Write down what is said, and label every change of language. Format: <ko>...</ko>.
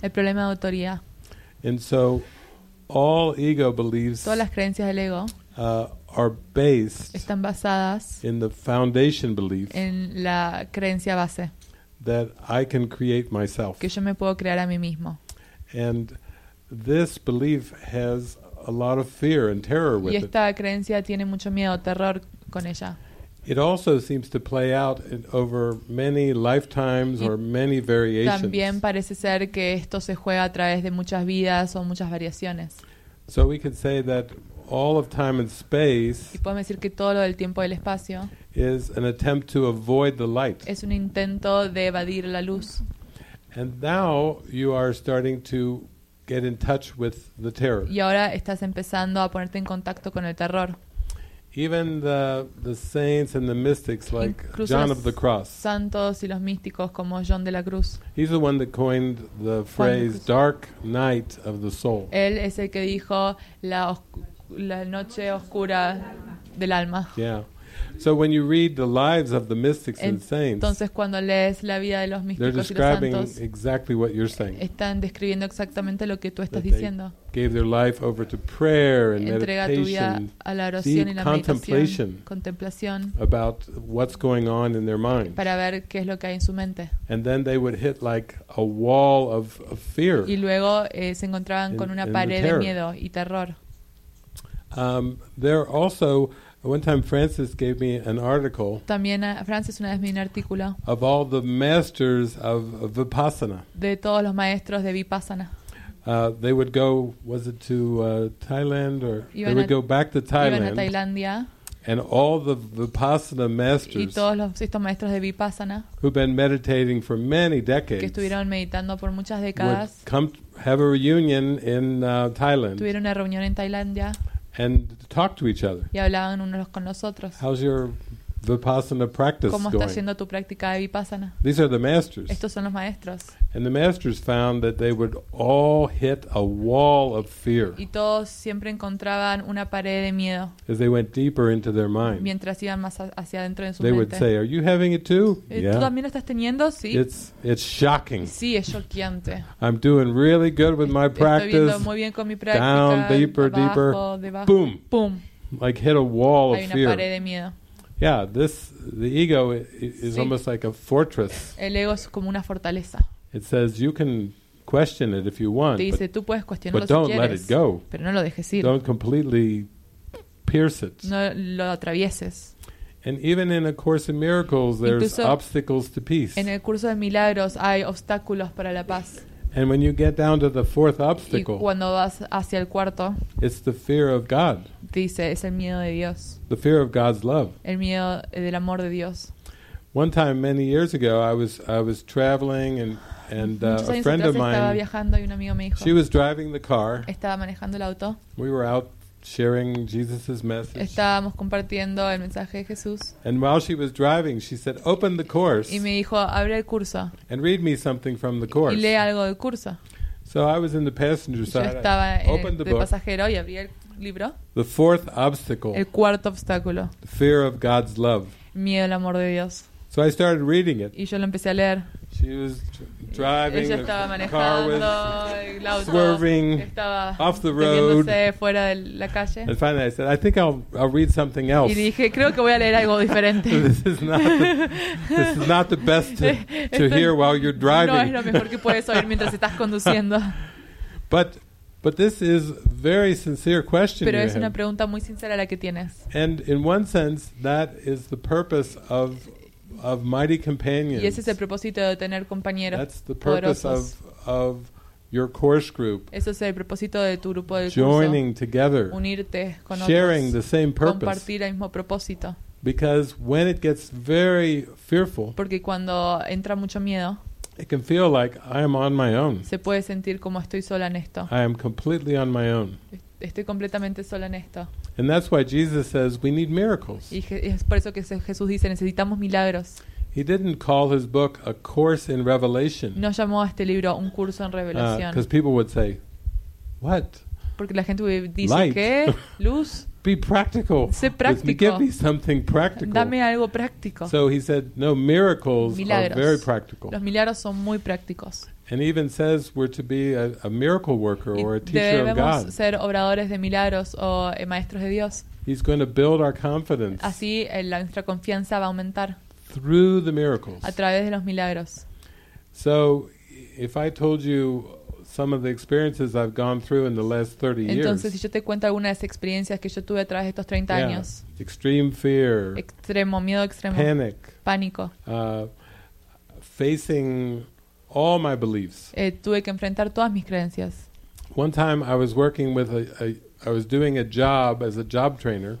<es>El problema de autoridad.</es> <en>And so all ego believes</en> <es>todas las creencias del ego</es> <en>are based</en> <es>están basadas</es> <en>in the foundation belief</en> <es>en la creencia base</es> <en>that I can create myself.</en> <es>Que yo me puedo crear a mí mismo.</es> <en>And this belief has a lot of fear and terror with it.</en> <es>Y esta creencia tiene mucho miedo, terror con ella.</es> <en>It also seems to play out in over many lifetimes or many variations.</en> <es>También parece ser que esto se juega a través de muchas vidas o muchas variaciones.</es> <en>So we could say that all of time and space</en> <es>y podemos decir que todo lo del tiempo y el espacio</es> <en>is an attempt to avoid the light.</en> <es>Es un intento de evadir la luz.</es> <en>And now you are starting to get in touch with the terror.</en> <es>Y ahora estás empezando a ponerte en contacto con el terror.</es> <en>Even the saints and the mystics like</en> <es>incluso</es> <en>John of the Cross.</en> <es>Santos y los místicos como John de la Cruz.</es> <en>He's the one that coined the phrase dark night of the soul.</en> <es>Él es el que dijo la noche oscura del alma.</es> <en>Yeah. So when you read the lives of the mystics and saints,</en> <es>entonces cuando lees la vida de los místicos</es> <en>they're describing</en> <es>y los santos,</es> <en>exactly what you're saying.</en> <es>Están describiendo exactamente lo que tú estás diciendo.</es> <en>Gave their life over to prayer and</en> <es>entrega</es> <en>meditation,</en> <es>tu vida a la oración</es> <en>deep</en> <es>y la</es> <en>contemplation,</en> <es>contemplación</es> <en>about what's going on in their mind.</en> <es>Para ver qué es lo que hay en su mente.</es> <en>And then they would hit like a wall of fear.</en> <es>Y luego se encontraban con una pared de miedo y terror.</es> <en>There also one time Francis gave me an article.</en> <es>También Francis una vez me dio un artículo.</es> <en>Of all the masters of Vipassana.</en> <es>De todos los maestros de Vipassana.</es> <en>They would go, was it to Thailand or they would go back to Thailand.</en> <es>Iban a Tailandia.</es> <en>And all the Vipassana masters.</en> <es>Y todos estos maestros de Vipassana.</es> <en>Who've been meditating for many decades.</en> <es>Que estuvieron meditando por muchas décadas.</es> <en>Would come have a reunion in Thailand.</en> <es>Tuvieron una reunión en Tailandia.</es> <en>And talk to each other.</en> <es>Y hablaban unos con los otros.</es> <en>How's your Vipassana practice</en> <es>¿cómo está</es> <en>going?</en> <es>Haciendo tu práctica de Vipassana?</es> <en>These are the masters.</en> <es>Estos son los maestros.</es> <en>And the masters found that they would all hit a wall of fear.</en> <es>Y todos siempre encontraban una pared de miedo.</es> <en>As they went deeper into their mind.</en> <es>Mientras iban más hacia adentro de su</es> <en>they</en> <es>mente.</es> <en>Would say, are you having it too? Yeah.</en> <es>¿Tú también lo estás teniendo? Sí.</es> <en>It's shocking.</en> <es>Sí, es shockeante.</es> <en>I'm doing really good with my practice.</en> <es>Estoy viendo muy bien con mi práctica.</es> <en>Down deeper,</en> <es>abajo,</es> <en>deeper.</en> <es>Debajo. Boom. Boom.</es> <en>Like hit a wall of fear.</en> <es>Hay una pared de miedo.</es> <en>Yeah, the ego is almost like a fortress.</en> <es>El ego es como una fortaleza.</es> <en>It says you can question it if you want.</en> <es>Te dice,</es> <en>but,</en> <es>tú puedes cuestionarlo</es> <en>but don't</en> <es>si quieres,</es> <en>let it go.</en> <es>Pero no lo dejes ir.</es> <en>Don't completely pierce it.</en> <es>No lo atravieses.</es> <en>And even in A Course in Miracles, there's</en> <es>incluso</es> <en>obstacles to peace.</en> <es>En el curso de milagros hay obstáculos para la paz.</es> <en>And when you get down to the fourth obstacle,</en> <es>y cuando vas hacia el cuarto,</es> <en>it's the fear of God.</en> <es>Dice, es el miedo de Dios.</es> <en>The fear of God's love.</en> <es>El miedo del amor de Dios.</es> <en>One time many years ago, I was traveling and a friend of mine,</en> <es>estaba viajando y un amigo me dijo,</es> <en>she was driving the car.</en> <es>Estaba manejando el auto.</es> <en>We were out sharing Jesus's message.</en> <es>Estábamos compartiendo el mensaje de Jesús.</es> <en>And while she was driving, she said, "Open the course."</en> <es>Y me dijo, "Abre el curso."</es> <en>And read me something from the course.</en> <es>Y lee algo del curso.</es> <en>So I was in the passenger</en> <es>yo</es> <en>side.</en> <es>Yo estaba en el</es> <en>book,</en> <es>pasajero y abrí el libro.</es> <en>The fourth obstacle.</en> <es>El cuarto obstáculo.</es> <en>Fear of God's love.</en> <es>Miedo al amor de Dios.</es> <en>So I started reading it.</en> <es>Y yo lo empecé a leer.</es> <en>She was driving</en> <es>ella estaba manejando</es> <en>car</en> <es>el auto,</es> <en>swerving</en> <es>estaba</es> <en>off the road.</en> <es>Fuera de la calle.</es> <en>And finally I said, I think I'll read something else.</en> <es>Y dije, creo que voy a leer algo diferente.</es> <en>this is not the best to hear while you're driving.</en> <es>No es lo mejor que puedes oír mientras estás conduciendo.</es> <en>But this is very sincere question.</en> <es>Pero</es> <en>you</en> <es>es una pregunta muy sincera la que tienes.</es> <en>And in one sense, that is the purpose of mighty companions.</en> <es>Y ese es el propósito de tener compañeros.</es> <en>That's the purpose of your course group.</en> <es>Eso es el propósito de tu grupo de curso.</es> <en>Joining together.</en> <es>Unirte con otros.</es> <en>Sharing the same purpose.</en> <es>Compartir el mismo propósito.</es> <en>Because when it gets very fearful.</en> <es>Porque cuando entra mucho miedo.</es> <en>It can feel like I am on my own.</en> <es>Se puede sentir como estoy sola en esto.</es> <en>I am completely on my own.</en> <es>Estoy completamente sola en esto.</es> <en>And that's why Jesus says we need miracles.</en> <es>Y es por eso que Jesús dice necesitamos milagros.</es> <en>He didn't call his book a course in revelation.</en> <es>No llamó a este libro un curso en revelación.</es> <en>Because people would say, what?</en> <es>Porque la gente dice</es> <en>light.</en> <es>¿Qué? Luz.</es> <en>Be practical.</en> <es>Sé práctico.</es> <en>Give me something practical.</en> <es>Dame algo práctico.</es> <en>So he said, no, miracles</en> <es>milagros.</es> <en>Are very practical.</en> <es>Los milagros son muy prácticos.</es> <en>And even says we're to be a miracle worker or a teacher of God.</en> <es>Debemos ser obradores de milagros o maestros de Dios.</es> <en>He's going to build our confidence.</en> <es>Así nuestra confianza va a aumentar.</es> <en>Through the miracles.</en> <es>A través de los milagros.</es> <en>So, if I told you some of the experiences I've gone through in the last 30</en> <es>entonces,</es> <en>years.</en> <es>Entonces, si yo te cuento algunas de las experiencias que yo tuve a través de estos 30 años.</es> <en>Extreme fear.</en> <es>Extremo miedo extremo.</es> <en>Panic.</en> <es>Pánico.</es> <en>Facing all my beliefs.</en> <es>Tuve que enfrentar todas mis creencias.</es> <en>One time I was working with I was doing a job as a job trainer.</en>